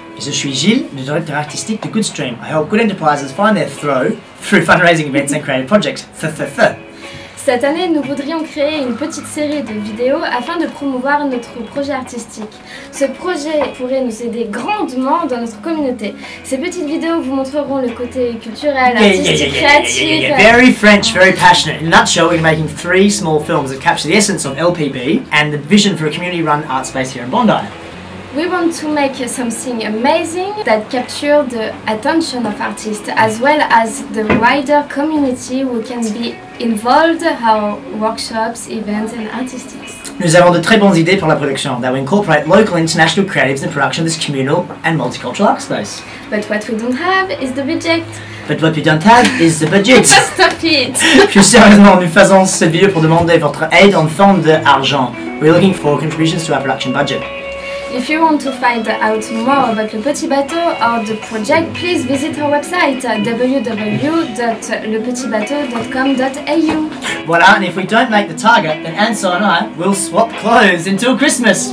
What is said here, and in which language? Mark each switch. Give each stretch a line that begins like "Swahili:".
French: Et je suis Gilles, le directeur artistique de GoodStream.
English: I help good enterprises find their flow through fundraising events and creative projects.
French: Cette année, nous voudrions créer une petite série de vidéos afin de promouvoir notre projet artistique. Ce projet pourrait nous aider grandement dans notre communauté. Ces petites vidéos vous montreront le côté culturel, artistique, créatif.
English: Very French, very passionate. In a nutshell, we're making three small films that capture the essence of LPB and the vision for a community-run art space here in Bondi. We want to make something amazing that captures the attention of artists as well as the wider community who can be involved in our workshops, events and artistics.
French: Nous avons de très bonnes idées pour la production
English: that will incorporate local international creatives in production of this communal and multicultural art space. But what we don't have is the budget. But what we don't have is the budget. Stop it!
French: Plus sérieusement, nous faisons cette vidéo pour demander votre aide en forme d'argent.
English: We're looking for contributions to our production budget. If you want to find out more about Le Petit Bateau or the project, please visit our website www.lepetitbateau.com.au. Voilà, and if we don't make the target, then Ansel and I will swap clothes until Christmas.